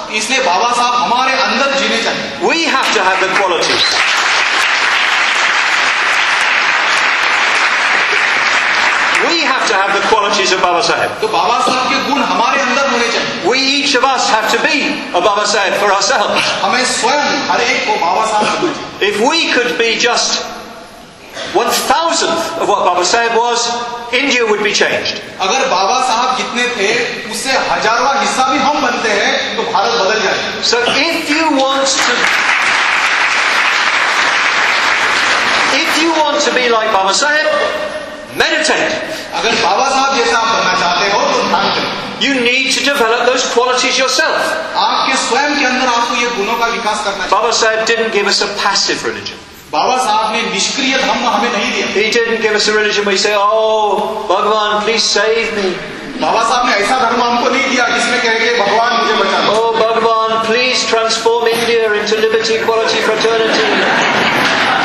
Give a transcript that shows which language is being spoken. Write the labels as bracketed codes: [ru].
[hi] इसलिए बाबा साहब हमारे अंदर जीने चाहिए. [en] We have to have the qualities. We have to have the qualities of Baba Sahib. [hi] तो बाबा साहब के गुण हमारे अंदर होने चाहिए. [en] We each of us have to be a Baba Sahib for ourselves. [hi] हमें स्वयं हर एक को बाबा साहब बनना चाहिए. [en] If we could be just 1/1000th of what Baba Sahib was, India would be changed. [hi] अगर बाबा साहब जितने थे उससे हजारवां हिस्सा भी हम बनते हैं तो भारत बदल जाए. [en] So if you want to be like Baba Sahib, meditate. [hi] अगर बाबा साहब जैसा आप बनना चाहते हो तो ध्यान करें. [en] You need to develop those qualities yourself. [hi] आपके स्वयं के अंदर आपको ये गुणों का विकास करना चाहिए. [en] Baba Sahib didn't give us a passive religion. [hi] बाबा साहब ने निष्क्रिय धर्म हमें नहीं दिया. [en] He didn't give us a religion where you say, "Oh, Bhagwan, please save me." [hi] बाबा साहब ने ऐसा धर्म हमको नहीं दिया जिसमें कहेंगे भगवान मुझे बचा. [en] Oh, Bhagwan, please transform India into liberty, equality, fraternity.